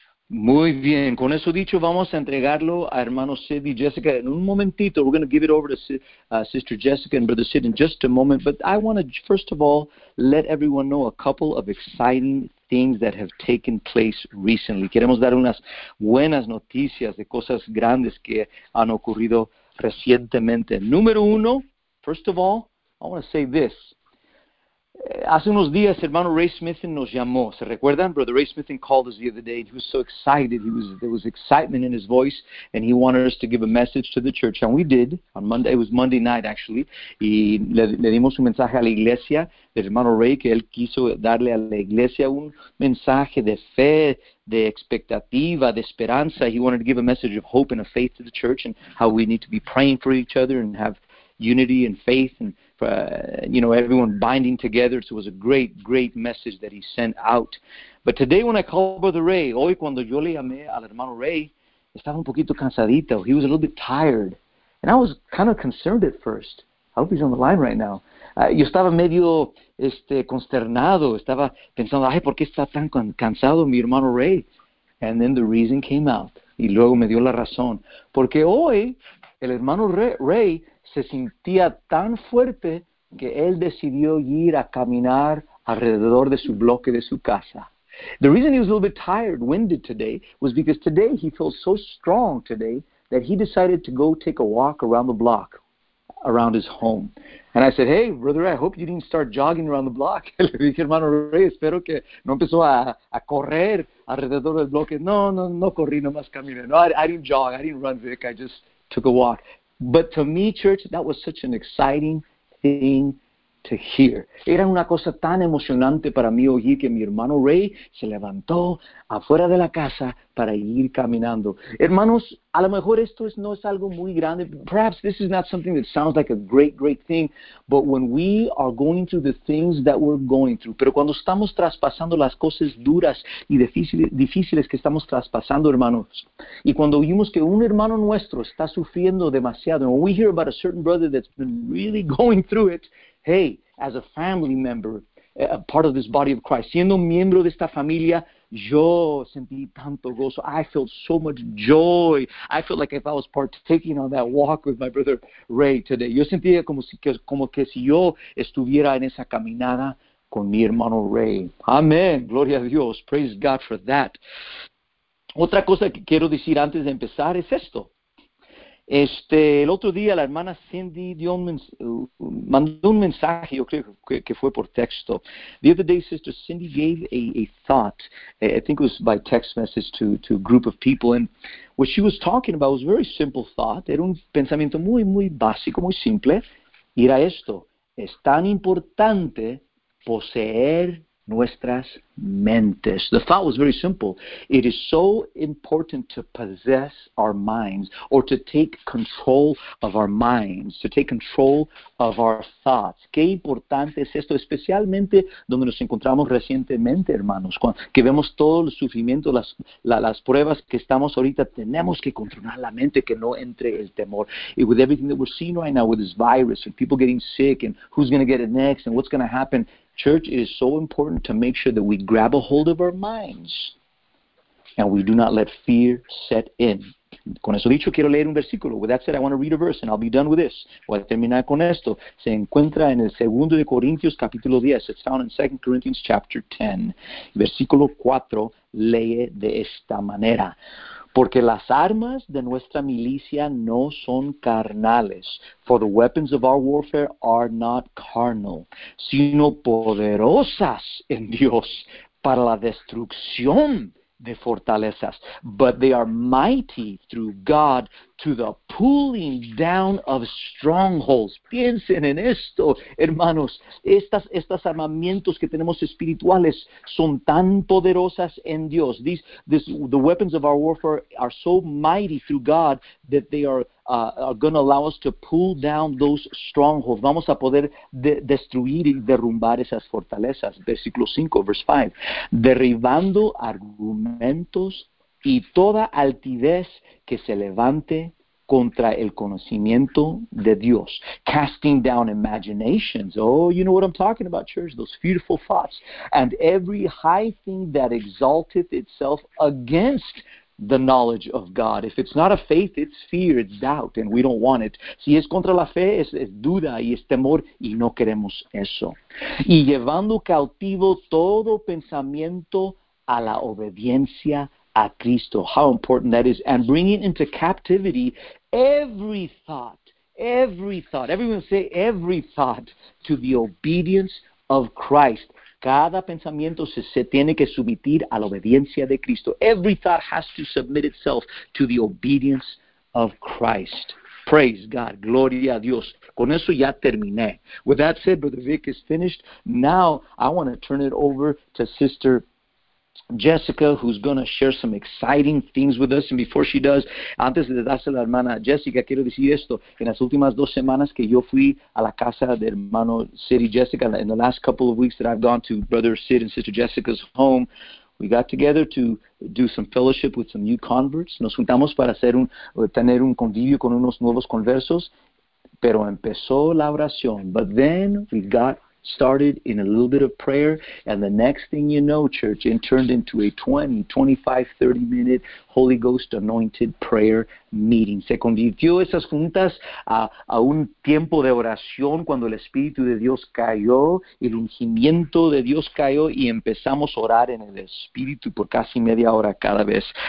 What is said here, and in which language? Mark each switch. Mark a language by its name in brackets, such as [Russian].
[Spanish] Muy bien, con eso dicho, vamos a entregarlo a hermano Sid y Jessica en un momentito. [English] We're going to give it over to Sister Jessica and Brother Sid in just a moment. But I want to, first of all, let everyone know a couple of exciting things that have taken place recently. [Spanish] Queremos dar unas buenas noticias de cosas grandes que han ocurrido recientemente. Número uno, [English] first of all, I want to say this. [Spanish] Hace unos días, hermano Ray Smith nos llamó. ¿Se recuerdan? [English] Brother Ray Smith called us the other day. He was so excited. There was excitement in his voice, and he wanted us to give a message to the church. And we did on Monday. It was Monday night, actually. [Spanish] Y le dimos un mensaje a la iglesia, el hermano Ray, que él quiso darle a la iglesia un mensaje de fe, de expectativa, de esperanza. [English] He wanted to give a message of hope and of faith to the church, and how we need to be praying for each other and have unity and faith and everyone binding together. So it was a great, great message that he sent out. But today when I called Brother Ray, [Spanish] hoy cuando yo le llamé al hermano Ray, estaba un poquito cansadito. [English] He was a little bit tired. And I was kind of concerned at first. I hope he's on the line right now. [Spanish] Yo estaba medio consternado. Estaba pensando, ay, ¿por qué está tan cansado mi hermano Ray? [English] And then the reason came out. [Spanish] Y luego me dio la razón. Porque hoy el hermano Ray se sentía tan fuerte que él decidió ir a caminar alrededor de su bloque de su casa. [English] The reason he was a little bit tired, winded today, was because today he felt so strong today that he decided to go take a walk around the block, around his home. And I said, hey, brother, I hope you didn't start jogging around the block. [Spanish] Le dije, hermano Rey, espero que no empezó a correr alrededor del bloque. No, no, no corrí, nomás caminé. [English] No, I didn't jog, I didn't run, Vic, I just took a walk. But to me, church, that was such an exciting thing to hear. [Spanish] Era una cosa tan emocionante para mí oír que mi hermano Ray se levantó afuera de la casa para ir caminando. Hermanos, a lo mejor esto no es algo muy grande. [English] Perhaps this is not something that sounds like a great, great thing. But when we are going through the things that we're going through, [Spanish] pero cuando estamos traspasando las cosas duras y difíciles que estamos traspasando, hermanos, y cuando vimos que un hermano nuestro está sufriendo demasiado, [English] and when we hear about a certain brother that's been really going through it, hey, as a family member, a part of this body of Christ, [Spanish] siendo un miembro de esta familia, yo sentí tanto gozo. [English] I felt so much joy. I felt like if I was partaking on that walk with my brother Ray today. [Spanish] Yo sentía como que si yo estuviera en esa caminada con mi hermano Ray. Amén. Gloria a Dios. [English] Praise God for that. [Spanish] Otra cosa que quiero decir antes de empezar es esto. El otro día la hermana Cindy mandó un mensaje, yo creo que fue por texto. [English] The other day, Sister Cindy gave a thought, I think it was by text message to a group of people, and what she was talking about was a very simple thought. [Spanish] Era un pensamiento muy, muy básico, muy simple. Y era esto: es tan importante poseer nuestras mentes. [English] The thought was very simple. It is so important to possess our minds, or to take control of our minds, to take control of our thoughts. [Spanish] Qué importante es esto, especialmente donde nos encontramos recientemente, hermanos, que vemos todo el sufrimiento, las pruebas que estamos ahorita. Tenemos que controlar la mente, que no entre el temor. [English] Y with everything that we're seeing right now, with this virus, and people getting sick, and who's going to get it next, and what's going to happen. Church, it is so important to make sure that we grab a hold of our minds and we do not let fear set in. [Spanish] Con eso dicho, quiero leer un versículo. [English] With that said, I want to read a verse and I'll be done with this. [Spanish] Voy a terminar con esto. Se encuentra en el segundo de Corintios, capítulo 10. [English] It's found in 2 Corinthians, chapter 10. [Spanish] Versículo 4, lee de esta manera. Porque las armas de nuestra milicia no son carnales. [English] For the weapons of our warfare are not carnal, [Spanish] sino poderosas en Dios para la destrucción de fortalezas. [English] But they are mighty through God to the pulling down of strongholds. [Spanish] Piensen en esto, hermanos. Estos armamentos que tenemos espirituales son tan poderosas en Dios. [English] The weapons of our warfare are so mighty through God that they are going to allow us to pull down those strongholds. [Spanish] Vamos a poder destruir y derrumbar esas fortalezas. Versículo 5, verse 5. Derribando argumentos y toda altivez que se levante contra el conocimiento de Dios. [English] Casting down imaginations. Oh, you know what I'm talking about, church? Those fearful thoughts. And every high thing that exalteth itself against the knowledge of God. If it's not a faith, it's fear, it's doubt, and we don't want it. [Spanish] Si es contra la fe, es duda y es temor, y no queremos eso. Y llevando cautivo todo pensamiento a la obediencia a Cristo. [English] How important that is. And bringing into captivity every thought, every thought. Everyone say every thought to the obedience of Christ. [Spanish] Cada pensamiento se tiene que sumitir a la obediencia de Cristo. [English] Every thought has to submit itself to the obedience of Christ. Praise God. [Spanish] Gloria a Dios. Con eso ya terminé. [English] With that said, Brother Vic is finished. Now, I want to turn it over to Sister Jessica, who's going to share some exciting things with us. And before she does, [Spanish] antes de dárselo a la hermana Jessica, quiero decir esto. En las últimas dos semanas que yo fui a la casa de hermano Sid y Jessica, [English] in the last couple of weeks that I've gone to Brother Sid and Sister Jessica's home, we got together to do some fellowship with some new converts. [Spanish] Nos juntamos para tener un convivio con unos nuevos conversos. Pero empezó la oración. [English] But then we got started in a little bit of prayer, and the next thing you know, church, it turned into a 20, 25, 30 minute Holy Ghost anointed prayer meeting. [Spanish] Se convirtió esas juntas a un tiempo de oración cuando el Espíritu de Dios cayó, el ungimiento de Dios cayó, y empezamos a orar en el Espíritu por casi media hora cada vez.